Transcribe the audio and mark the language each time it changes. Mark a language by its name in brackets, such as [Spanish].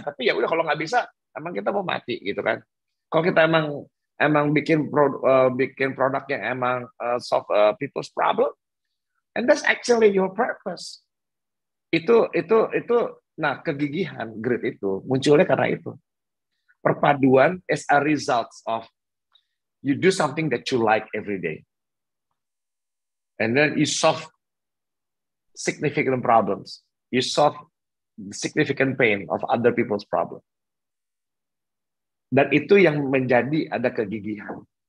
[Indonesian] Tapi ya udah, kalau nggak bisa, emang kita mau mati gitu kan. Kalau kita emang bikin produk yang emang [English] solve people's problem, and that's actually your purpose. [Indonesian] Itu nah, kegigihan, grit itu munculnya karena itu. [English] Perpaduan as a result of you do something that you like every day. And then you solve significant problems. You solve the significant pain of other people's problem. [Indonesian] Dan itu yang menjadi ada kegigihan.